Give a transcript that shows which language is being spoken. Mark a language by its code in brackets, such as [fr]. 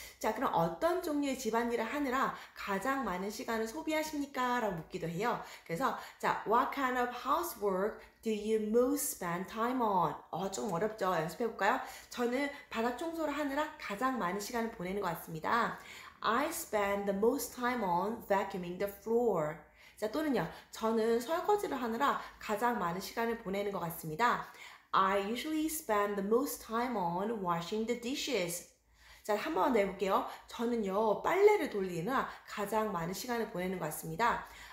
[ko] 자, 그럼 어떤 종류의 집안일을 하느라 가장 많은 시간을 소비하십니까? 라고 묻기도 해요. 그래서, 자, [en] what kind of housework do you most spend time on? [ko] 좀 어렵죠? 연습해 볼까요? 저는 바닥 청소를 하느라 가장 많은 시간을 보내는 것 같습니다. [en] I spend the most time on vacuuming the floor. [ko] 자, 또는요, 저는 설거지를 하느라 가장 많은 시간을 보내는 것 같습니다. [en] I usually spend the most time on washing the dishes. [ko] 자, 한번 내볼게요. 저는요, 빨래를 돌리느라 가장 많은 시간을 보내는 것 같습니다.